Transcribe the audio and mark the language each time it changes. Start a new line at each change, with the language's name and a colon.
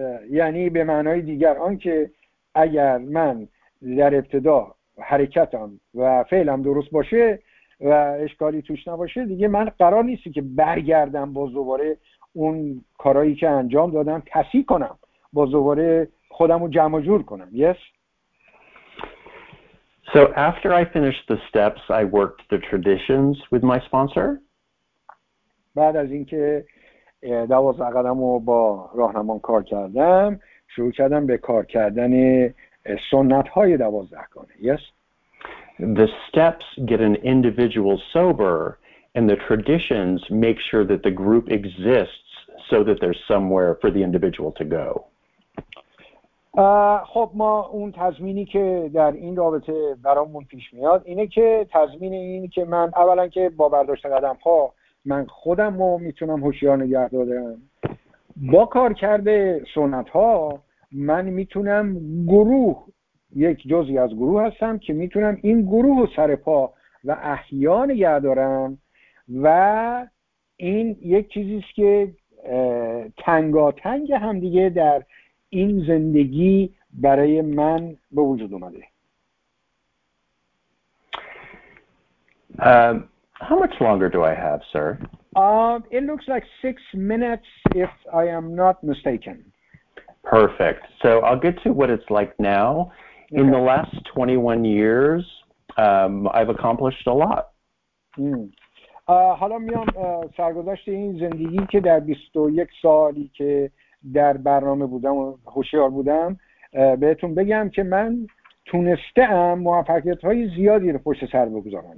Persian: یعنی به معنای دیگر آن که اگر من در ابتدا حرکتم و فعلم درست باشه و اشکالی توش نباشه، دیگه من قرار نیستی که برگردم با دوباره اون کارایی که انجام دادم تصحیح کنم، با دوباره خودم رو جمع جور کنم.
English: Yes. So after I finished the steps, I worked the traditions with my sponsor.
Persian: بعد از اینکه 12 قدم رو با راهنمان کار کردم، شروع کردم به کار کردن سنت های 12 گانه.
English: Yes. The steps get an individual sober, and the traditions make sure that the group exists so that there's somewhere for the individual to go.
Persian: خب ما اون تضمینی که در این رابطه برامون پیش میاد اینه که تضمین اینه که من اولا که با برداشت قدم ها من خودم رو میتونم هوشیار نگه دارم، با کار کرده سنت ها من میتونم گروه، یک جزی از گروه هستم که میتونم این گروه رو سر پا و احیا نگه دارم، و این یک چیزیست که تنگاتنگ هم دیگه در این زندگی برای من به وجود اومده.
English: How much longer do I have, sir? It looks like 6 minutes, if I am not mistaken. Perfect. So I'll get to what it's like now. Okay. In the last 21 years, I've accomplished a lot.
Persian: حالا میام سرگذشت این زندگی که در 21 سالی که در برنامه بودم و هوشیار بودم بهتون بگم که من تونستم موفقیت‌های زیادی رو پشت سر بگذارم.